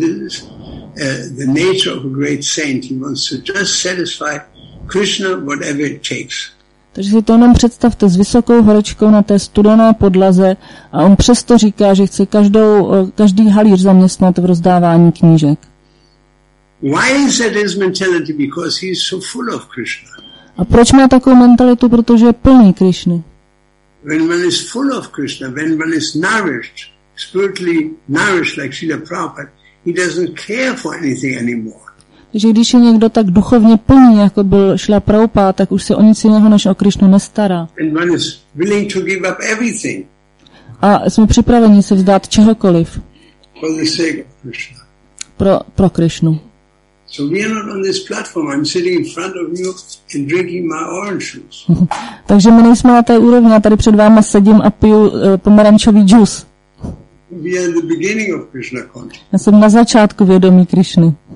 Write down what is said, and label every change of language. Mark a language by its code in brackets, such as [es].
[en] This is the nature of a great saint. He wants to just satisfy Krishna, whatever it takes. [cs] Takže si to jenom představte s vysokou horečkou na té studené podlaze a on přesto říká, že chce každý halíř zaměstnat v rozdávání knížek. [en] Why is that his mentality? Because he is so full of Krishna. [cs] A proč má takovou mentalitu? Protože je plný Krishny. [en] When one is full of Krishna, when one is nourished, spiritually nourished like Srila Prabhupada, he doesn't care for anything anymore. [cs] Že když je někdo tak duchovně plný, jako byl Srila Prabhupáda, tak už se o nic jiného než o Krišnu nestará. [en] And one is willing to give up everything. [cs] A jsme připraveni se vzdát čehokoliv. [en] For the sake of Krishna. [cs] Pro Krišnu. [en] So we are not on this platform. I'm sitting in front of you and drinking my orange juice. [cs] Takže my nejsme na té úrovni. Já tady před váma sedím a piju pomerančový džus. [en] We are in the beginning of Krishna consciousness. [cs] Já jsem na začátku vědomí Krišny.